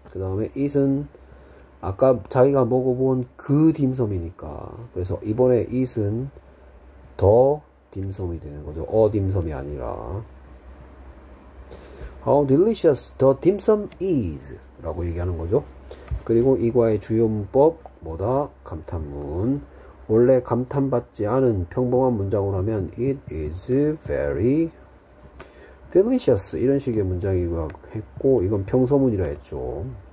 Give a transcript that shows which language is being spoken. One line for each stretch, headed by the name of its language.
Korean: 그 다음에 it은 아까 자기가 먹어본 그 딤섬이니까. 그래서 이번에 it은 더 딤섬이 되는 거죠. 딤섬이 아니라.
English: How delicious the dim sum is
Korean: 라고 얘기하는 거죠. 그리고 이 과의 주요 문법 뭐다? 감탄문. 원래 감탄받지 않은 평범한 문장으로 하면
English: It is very delicious
Korean: 이런 식의 문장이고 했고, 이건 평서문이라 했죠.